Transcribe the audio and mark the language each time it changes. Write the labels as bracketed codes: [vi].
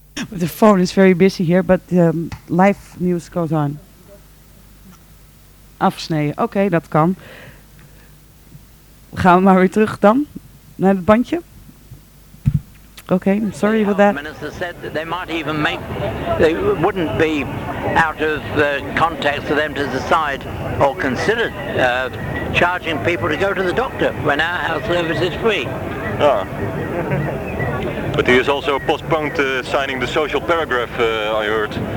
[en] The phone is very busy here, but live news goes on. [nl] Afsnijden, oké, dat kan. Gaan we maar weer terug dan, naar het bandje. [en] Okay, I'm sorry about that. The minister said that they might even make, they wouldn't be out of the context for them to decide or consider charging people to go to the doctor when our health service is free. Ah. But he has also postponed signing the social paragraph, I heard.